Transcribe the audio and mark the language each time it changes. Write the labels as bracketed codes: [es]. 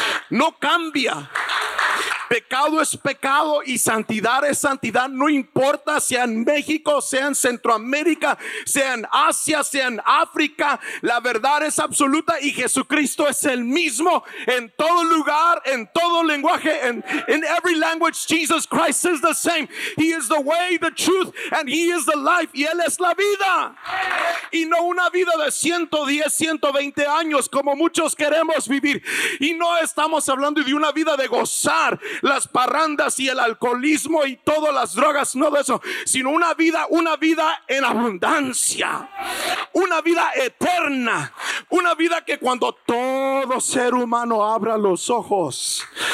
[es] No cambia. Pecado es pecado y santidad es santidad. No importa sea en México, sea en Centroamérica, sea en Asia, sea en África. La verdad es absoluta y Jesucristo es el mismo en todo lugar, en todo lenguaje. [en] In every language, Jesus Christ is the same. He is the way, the truth, and he is the life. [es] Y él es la vida. Y no una vida de 110, 120 años como muchos queremos vivir. Y no estamos hablando de una vida de gozar las parrandas y el alcoholismo y todas las drogas, no de eso, sino una vida en abundancia, una vida eterna, una vida que cuando todo ser humano abra los ojos,